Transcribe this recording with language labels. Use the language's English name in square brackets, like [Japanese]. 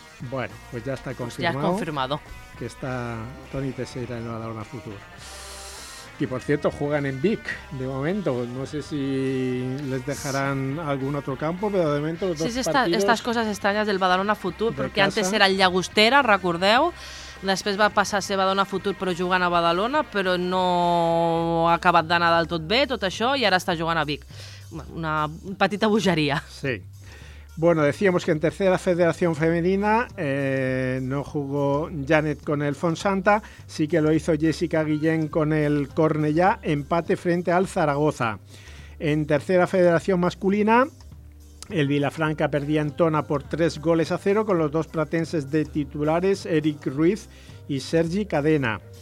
[Spanish] Bueno, pues ya está confirmado. Ya es confirmado. Que está Toni Teixeira en el Badalona Futur. Y por cierto, juegan en Vic de momento. No sé si les dejarán algún otro campo, pero de momento los dos partidos... Sí, estas cosas [Catalan] estranyes del Badalona Futur, perquè antes era el Llagostera, recordeu? Després va passar a ser Badalona Futur, però jugant a Badalona, però no ha acabat d'anar del tot bé, tot això, i ara està jugant a Vic. Una petita bogeria. Sí. [Spanish] Bueno, decíamos que en tercera federación femenina no jugó Janet con el Fonsanta, sí que lo hizo Jessica Guillén con el Cornellà, empate frente al Zaragoza. En tercera federación masculina, el Vilafranca perdía en Tona por 3-0 con los dos pratenses de titulares, Eric Ruiz y Sergi Cadena.